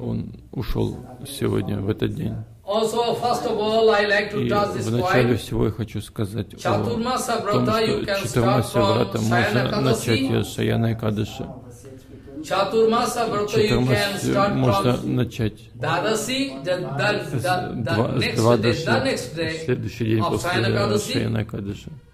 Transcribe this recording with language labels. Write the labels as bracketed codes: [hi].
[ru] Он ушел сегодня в этот день. [en] Also, first of all, I like to touch this point. [ru] Вначале всего я хочу сказать о том, что Чатурмаса Врата можно начать с Саяны Экадаши. Чатурмаса Врата можно начать с Двадаши, следующий день после Саяны Экадаши.